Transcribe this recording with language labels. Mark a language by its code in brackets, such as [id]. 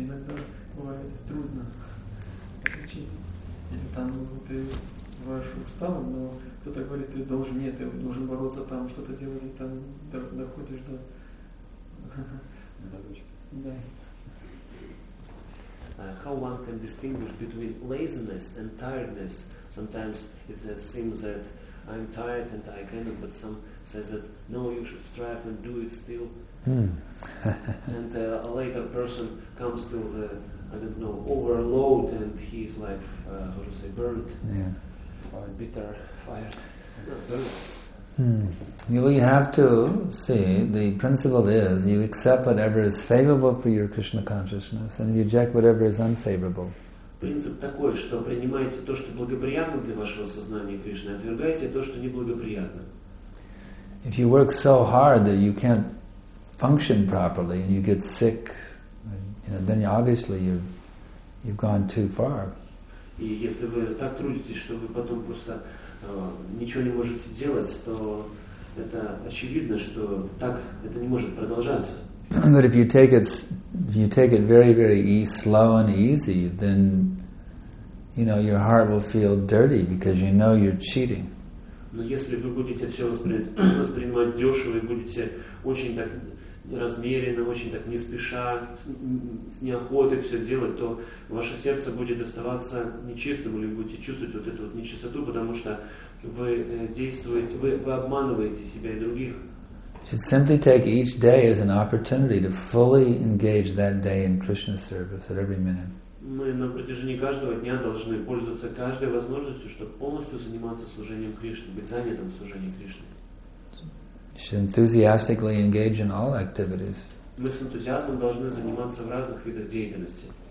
[ru] Иногда бывает трудно отличить. Или там ты бываешь усталым, но кто-то говорит, ты должен, нет, ты должен бороться там, что-то делать, и там доходишь до... [en] How one can distinguish between laziness and tiredness? Sometimes it seems that I'm tired and I cannot, but some says that no, you should strive and do it still. And a later person comes to the, I don't know, overload, and he's like, how to say, burnt, yeah. Bitter, fired. Well, you have to see, the principle is you accept whatever is favorable for your Krishna consciousness and you reject whatever is unfavorable. [ru] Принцип такой, что принимаете то, что благоприятно для вашего сознания Кришны, отвергаете то, что неблагоприятно. [en] If you work so hard that you can't function properly and you get sick, you know, then obviously you've gone too far. [ru] И если вы так трудитесь, что вы потом просто ничего не можете делать, то это очевидно, что так это не может продолжаться. [en] But if you take it, very, very slow and easy, then you know your heart will feel dirty because you know you're cheating. [ru] Но если вы будете все воспринимать дешево и будете очень так размеренно, очень так не спеша, с неохотой все делать, то ваше сердце будет оставаться нечистым, или будете чувствовать вот эту вот нечистоту, потому что вы действуете, вы обманываете себя и других. [en] Should simply take each day as an opportunity to fully engage that day in Krishna service at every minute. [ru] Мы на протяжении каждого дня должны пользоваться каждой возможностью, чтобы полностью заниматься служением Кришне, быть занятым служением Кришны. [en] Should enthusiastically engage in all activities. [ru] Мы с энтузиазмом должны заниматься в разных видах деятельности.